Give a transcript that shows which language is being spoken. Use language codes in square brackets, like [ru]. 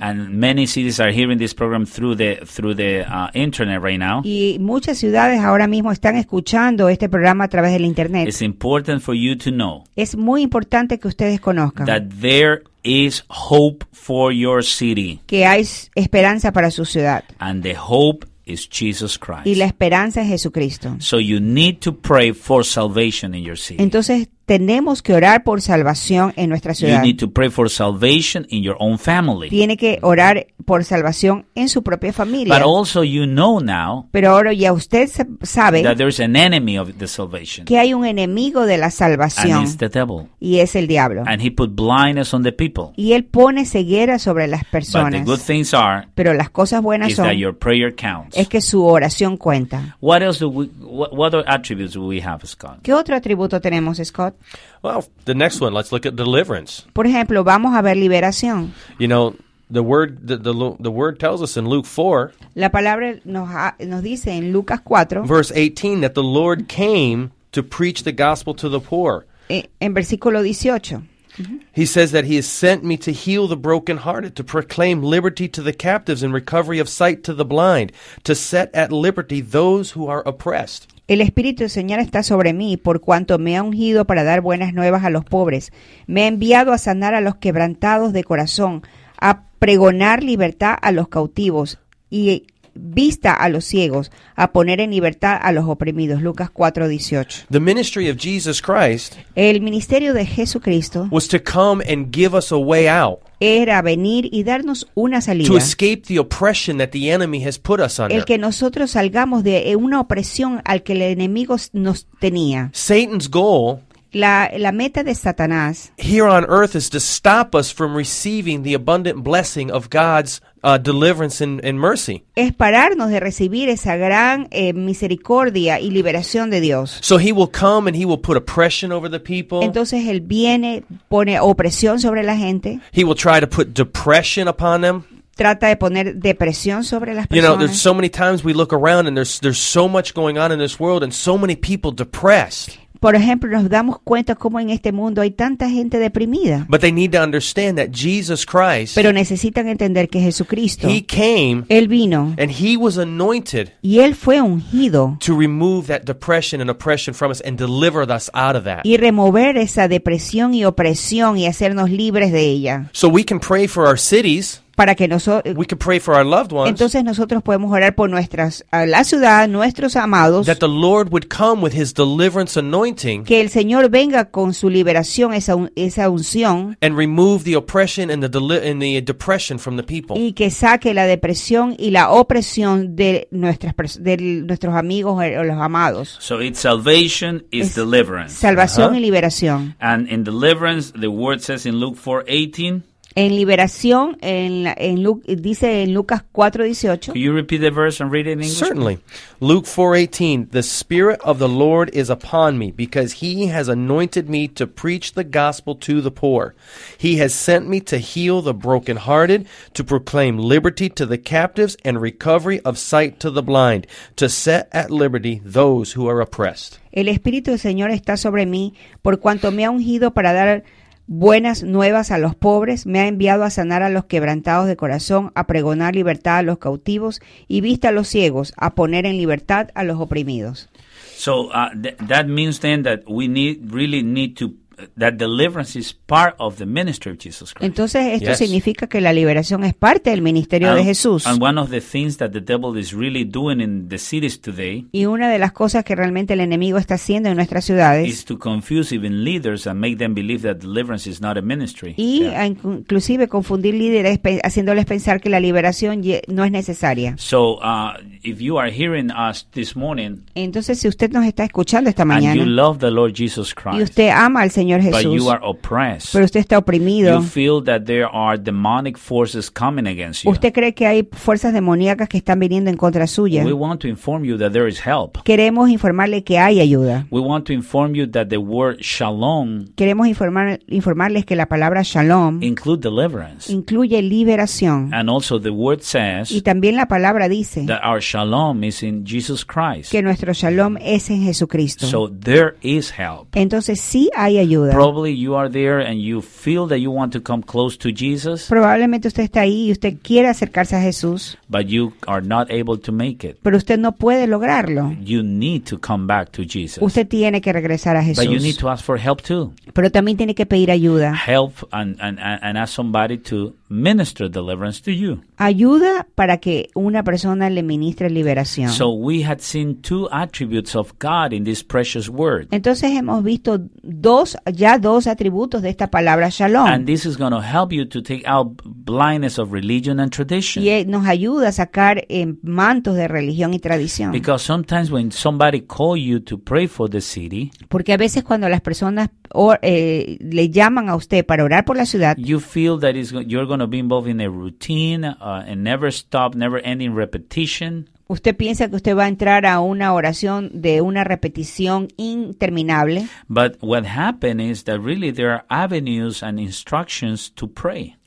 [en] And many cities are hearing this program through the internet right now. [es] Y muchas ciudades ahora mismo están escuchando este programa a través del internet. [en] It's important for you to know. [es] Es muy importante que ustedes conozcan. [en] That there is hope for your city. [es] Que hay esperanza para su ciudad. [en] And the hope is Jesus Christ. [es] Y la esperanza es Jesucristo. [en] So you need to pray for salvation in your city. [es] Entonces tenemos que orar por salvación en nuestra ciudad. [en] You need to pray for salvation in your own family. [es] Tiene que orar por salvación en su propia familia. [en] But also you know now. [es] Pero ahora ya usted sabe. [en] That there is an enemy of the salvation. [es] Que hay un enemigo de la salvación. [en] And it's the devil. [es] Y es el diablo. [en] And he put blindness on the people. [es] Y él pone ceguera sobre las personas. [en] But the good things are. [es] Pero las cosas buenas son. [en] Is that your prayer counts. [es] Es que su oración cuenta. [en] What else do we, what attributes do we have, Scott? [es] ¿Qué otro atributo tenemos, Scott? [en] Well, the next one, let's look at deliverance. [es] Por ejemplo, vamos a ver liberación. [en] You know, the word tells us in Luke 4. [es] La palabra nos dice en Lucas 4. [en] Verse 18, that the Lord came to preach the gospel to the poor. [es] En versículo 18. [en] He says that he has sent me to heal the brokenhearted, to proclaim liberty to the captives and recovery of sight to the blind, to set at liberty those who are oppressed. [es] El Espíritu del Señor está sobre mí, por cuanto me ha ungido para dar buenas nuevas a los pobres. Me ha enviado a sanar a los quebrantados de corazón, a pregonar libertad a los cautivos y vista a los ciegos, a poner en libertad a los oprimidos. Lucas 4:18. [en] The ministry of Jesus Christ. [es] El ministerio de Jesucristo. [en] Was to come and give us a way out. [es] Era venir y darnos una salida. [en] To escape the oppression that the enemy has put us under. [es] El que nosotros salgamos de una opresión al que el enemigo nos tenía. [en] Satan's goal. [es] La meta de Satanás. [en] Here on earth is to stop us from receiving the abundant blessing of God's deliverance and mercy. [es] Es pararnos de recibir esa gran misericordia y liberación de Dios. [en] So he will come and he will put oppression over the people. [es] Entonces él viene, pone opresión sobre la gente. [en] He will try to put depression upon them. [es] Trata de poner depresión sobre las personas. [en] You know, there's so many times we look around and there's so much going on in this world and so many people depressed. [es] Por ejemplo, nos damos cuenta cómo en este mundo hay tanta gente deprimida. [en] But they need to understand that Jesus Christ. [es] Pero necesitan entender que Jesucristo. [en] He came. [es] Él vino. [en] And he was anointed. [es] Y él fue ungido. [en] To remove that depression and oppression from us and deliver us out of that. [es] Y remover esa depresión y opresión y hacernos libres de ella. [en] So we can pray for our cities. [es] Para que nosotros. [en] We can pray for our loved ones. [es] Entonces nosotros podemos orar por nuestras, la ciudad, nuestros amados. [en] That the Lord would come with His deliverance anointing. [es] Que el Señor venga con su liberación, esa unción. [en] And remove the oppression and the depression from the people. [es] Y que saque la depresión y la opresión de nuestros amigos o los amados. [en] So it's salvation, it's deliverance. [es] Salvación y liberación. [en] And in deliverance, the word says in Luke 4:18. [es] En liberación, dice en Lucas 4:18. [en] Can you repeat the verse and read it in English? Certainly. Luke 4:18. The Spirit of the Lord is upon me, because He has anointed me to preach the gospel to the poor. He has sent me to heal the brokenhearted, to proclaim liberty to the captives and recovery of sight to the blind, to set at liberty those who are oppressed. [es] El Espíritu del Señor está sobre mí, por cuanto me ha ungido para dar buenas nuevas a los pobres, me ha enviado a sanar a los quebrantados de corazón, a pregonar libertad a los cautivos y vista a los ciegos, a poner en libertad a los oprimidos. [en] So that means then that we really need to that deliverance is part of the ministry of Jesus Christ. [es] Entonces esto significa que la liberación es parte del ministerio de Jesús. [en] And one of the things that the devil is really doing in the cities today. [es] Y una de las cosas que realmente el enemigo está haciendo en nuestras ciudades [en] is to confuse even leaders and make them believe that deliverance is not a ministry. [es] Y inclusive confundir líderes haciéndoles pensar que la liberación no es necesaria. [en] So if you are hearing us this morning, [es] entonces si usted nos está escuchando esta mañana, [en] and you love the Lord Jesus Christ, [es] y usted ama al Señor Jesús, [en] but you are oppressed, [es] pero usted está oprimido, [en] you feel that there are demonic forces coming against you. [es] Usted cree que hay fuerzas demoníacas que están viniendo en contra suya. [en] We want to inform you that there is help. [es] Queremos informarle que hay ayuda. [en] We want to inform you that the word shalom. [es] Queremos informarles que la palabra shalom [en] include deliverance. [es] Incluye liberación. [en] And also the word says. [es] Y también la palabra dice. [en] That our shalom is in Jesus Christ. [es] Que nuestro shalom es en Jesucristo. [en] So there is help. [es] Entonces sí hay ayuda. [en] Probably you are there and you feel that you want to come close to Jesus. [es] Probablemente usted está ahí y usted quiere acercarse a Jesús. [en] But you are not able to make it. [es] Pero usted no puede lograrlo. [en] You need to come back to Jesus. [es] Usted tiene que regresar a Jesús. [en] But you need to ask for help too. [es] Pero también tiene que pedir ayuda. [en] Help and ask somebody to minister deliverance to you. [es] Ayuda para que una persona le ministre liberación. [en] So we had seen two attributes of God in this precious word. [es] Entonces hemos visto dos atributos de esta palabra shalom. [en] And this is going to help you to take out blindness of religion and tradition. [es] Y nos ayuda a sacar mantos de religión y tradición. [en] Because sometimes when somebody calls you to pray for the city, [es] porque a veces cuando las personas le llaman a usted para orar por la ciudad, [en] you feel that you're going to be involved in a routine and never stop, never ending repetition. [es] Usted piensa que usted va a entrar a una oración de una repetición interminable. [en] But what happened is that really there are avenues and instructions to pray.